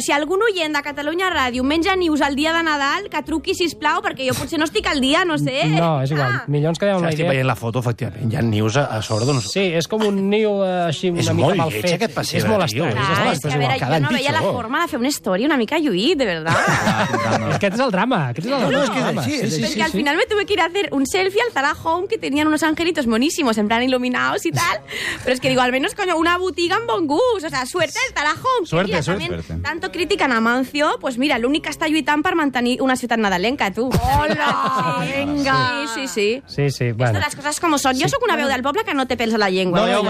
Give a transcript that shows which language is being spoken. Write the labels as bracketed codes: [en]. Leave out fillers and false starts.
[ca] Si algun oient de Catalunya Ràdio menja nius el dia de Nadal, que truqui, sisplau, perquè jo potser no estic al dia, no sé. No, és igual. Millor ens quedem amb la idea. Estic veient la foto, efectivament. Hi ha nius a sobre d'on... Sí, és com un niu així una mica mal fet. És molt lleig aquest passeig de nius. Jo no veia la forma de fer una història una mica lluït, de veritat. Aquest és el drama. [es] Perquè al final me tuve que ir a hacer un selfie al Zara Home que tenían unos angelitos monísimos, en plan iluminados y tal. [ca] Però és que [es] digo, al menos, coño, [ca] una botiga amb bon gust. [es] O sea, suerte el Zara Home. Suerte, que suerte. También, tanto crítica en Amancio, pues mira, [ca] l'únic que està lluitant per mantenir una ciutat nadalenca, [es] tu. Hola, venga. Sí. Bueno. Estas cosas como son. [ca] Jo sóc una veu del poble que no té pèls a la llengua.